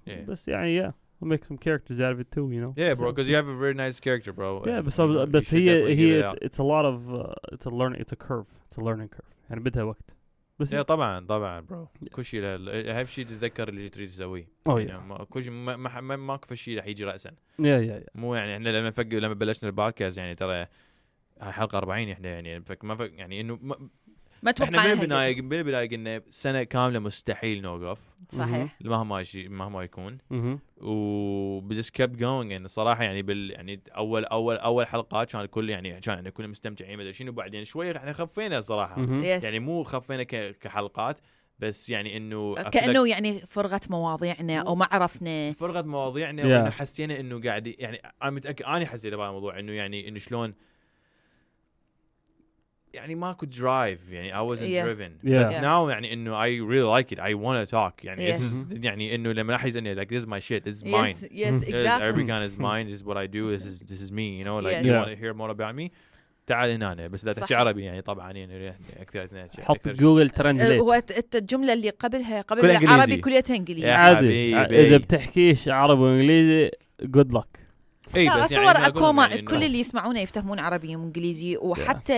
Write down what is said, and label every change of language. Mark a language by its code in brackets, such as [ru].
[en] Yeah. [ar] بس يعني [en] we'll make some characters out of it too you know yeah bro because so, you have a very nice character bro yeah but he it's a lot of it's a learning it's a learning curve [ar] يعني بدها وقت بس yeah, طبعا طبعا برو كل شيء اهم شيء تتذكر اللي تريد تسويه oh, يعني كل شيء ما اكو شيء راح يجي راسا yeah. مو يعني احنا لما بلشنا البودكاست يعني ترى هاي حلقه 40 احنا يعني ما يعني انه ما توقعنا احنا بالبدايه قلنا سنه كامله مستحيل نوقف صحيح مهما يكون وبس [en] kept going [ar] يعني صراحة يعني يعني أول أول أول حلقات كان كل يعني كان يعني كنا مستمتعين مدري شنو بعدين شوية إحنا خفينا صراحة يعني مو خفينا كحلقات بس يعني إنه كأنه يعني فرغت مواضيعنا أو ما عرفنا فرغت مواضيعنا yeah. وإنه حسينا إنه قاعد يعني أنا متأكد أنا حسيت بهذا الموضوع إنه يعني إنه شلون يعني ماكو درايف يعني [en] I wasn't yeah. driven yeah. بس yeah. now يعني إنه I really like it I want to talk يعني yes. [ar] يعني إنه لما أحس إني [en] like this is my shit this is yes. mine yes exactly every gun is mine this is what I do this is me you know like yes. you yeah. want to hear more about me [ar] تعال هنا أنا بس ده شيء عربي يعني طبعاً يعني أكثر اثنين شيء حط جوجل ترانسليت هو الجملة اللي قبل العربي كليتها إنجليزي عادي إذا بتحكيش عربي وإنجليزي [en] good luck [ar] اي بس اصور يعني اكو يعني كل اللي يسمعونه يفتهمون عربي وانجليزي وحتى yeah.